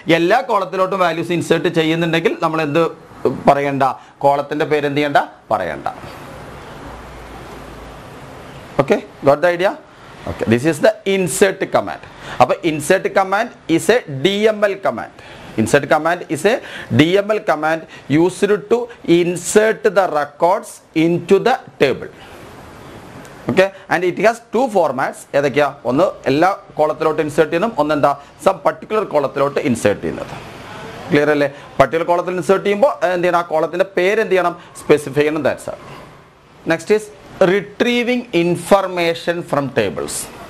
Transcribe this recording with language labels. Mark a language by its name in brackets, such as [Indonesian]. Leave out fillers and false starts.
[Malayalam] എല്ലാ കോളത്തിലോട്ടും values insert ചെയ്യുന്നുണ്ടെങ്കിൽ നമ്മൾ എന്ത് പറയണ്ട? കോളത്തിൻ്റെ പേര് എന്ത് ചെയ്യണ്ട? പറയണ്ട. [English] Okay, got the idea? Okay, this is the insert command. അപ്പോൾ insert command is a D M L command. Insert command is a DML command used to insert the records into the table. Okay, and it has two formats. [Malayalam] ഏതൊക്കെയ? ഒന്ന് എല്ലാ കോളത്തിലോട്ട് insert ചെയ്യുന്നു, ഒന്ന് എന്താ some particular കോളത്തിലോട്ട് insert ചെയ്യുന്നത്. Clear അല്ലേ? Particular കോളത്തിൽ insert ചെയ്യുമ്പോൾ എന്ത് ചെയ്യണം? ആ കോളത്തിൻ്റെ പേര് എന്ത് ചെയ്യണം? സ്പെസിഫൈ ചെയ്യണം. [English] That's all. Next is retrieving information from tables.